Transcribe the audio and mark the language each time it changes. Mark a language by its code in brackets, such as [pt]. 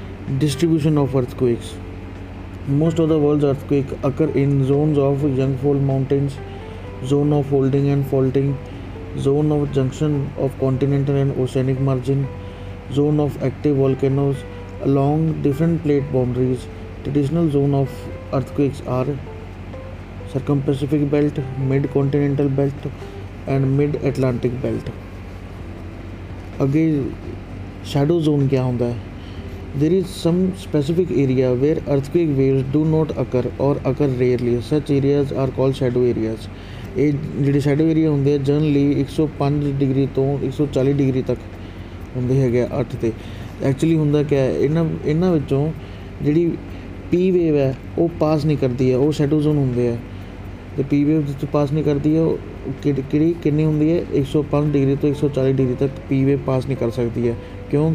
[en] Distribution of earthquakes most of the world earthquake occur in zones of young fold mountains zone of folding and faulting zone of junction of continental and oceanic margin zone of active volcanoes along different plate boundaries traditional zone of earthquakes are circumpacific belt, mid-continental belt and mid-atlantic belt. Again, shadow zone [pa] kya honda hai? [en] There is some specific area where earthquake waves do not occur or occur rarely. Such areas are called shadow areas. [pa] ਇਹ ਜਿਹੜੇ shadow area ਹੁੰਦੇ ਆ generally 105 degree ਤੋਂ 140 degree ਤੱਕ ਹੁੰਦੇ ਹੈਗੇ ਆ ਅਰਥ 'ਤੇ. ਐਕਚੁਅਲੀ ਹੁੰਦਾ ਕਿਆ, ਇਹਨਾਂ ਵਿੱਚੋਂ ਜਿਹੜੀ ਪੀ ਵੇਵ ਹੈ ਉਹ ਪਾਸ ਨਹੀਂ ਕਰਦੀ ਹੈ, ਉਹ ਸ਼ੈਡੋ ਜ਼ੋਨ ਹੁੰਦੇ ਆ. ਅਤੇ ਪੀ ਵੇਵ ਜਿਸ ਪਾਸ ਨਹੀਂ ਕਰਦੀ ਹੈ ਉਹ ਕਿਹੜੀ ਕਿੰਨੀ ਹੁੰਦੀ ਹੈ, 105 ਡਿਗਰੀ ਤੋਂ 140 ਡਿਗਰੀ ਤੱਕ ਪੀ ਵੇਵ ਪਾਸ ਨਹੀਂ ਕਰ ਸਕਦੀ ਹੈ. ਕਿਉਂ?